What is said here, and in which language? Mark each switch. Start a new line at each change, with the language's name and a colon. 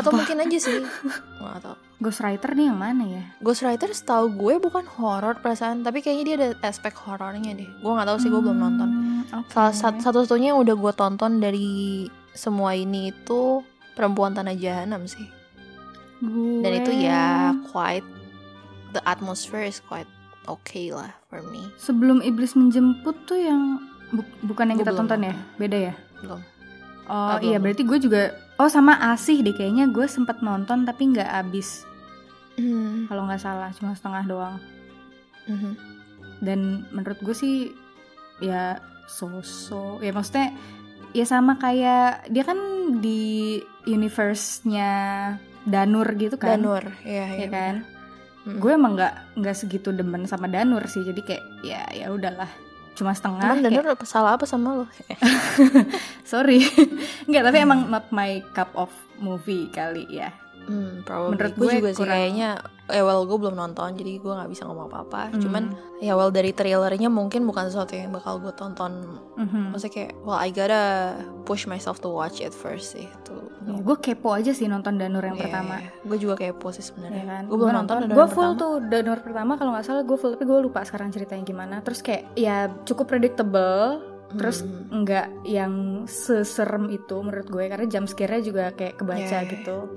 Indonesian: Atau mungkin aja sih. Nggak tahu. Ghost Rider nih yang mana ya? Ghost Rider setahu gue bukan horror perasaan, tapi kayaknya dia ada aspek horornya deh. Gue nggak tahu sih, gue belum nonton. Oke. Okay. Satu-satunya yang udah gue tonton dari semua ini itu Perempuan Tanah Jahanam sih. Gue. Dan itu ya
English: quite, the atmosphere is quite okay lah for me.
Indonesian: Sebelum Iblis Menjemput tuh yang bukan yang gua kita tonton ya? Beda ya? Belum. Oh belum, iya belum. Berarti gue juga, oh sama Asih deh kayaknya gue sempet nonton tapi gak abis. Kalau gak salah, cuma setengah doang. Dan menurut gue sih ya so-so. Ya maksudnya ya sama kayak, dia kan di universe-nya Danur gitu kan? Danur, iya iya. Ya kan? Gue emang nggak segitu demen sama Danur sih, jadi kayak ya ya udahlah cuma setengah. Emang Danur kayak, salah apa sama lo? Sorry, nggak, tapi emang
English: not my cup of movie
Indonesian: kali ya. Probably. Menurut gue juga sih kayaknya, well gue belum nonton jadi gue nggak bisa ngomong apa-apa. Cuman ya well dari trailernya mungkin bukan sesuatu yang bakal gue tonton. Maksudnya kayak
English: well I gotta push myself to watch it first sih.
Indonesian: Ya, gue kepo aja sih nonton Danur yang pertama. Gue juga kepo sih sebenarnya. Ya kan? Gue belum nonton Danur. Gue full tuh Danur pertama kalau nggak salah gue full, tapi gue lupa sekarang ceritanya gimana. Terus kayak ya cukup predictable. Terus nggak yang seserem itu menurut gue, karena jump scare-nya juga kayak kebaca gitu.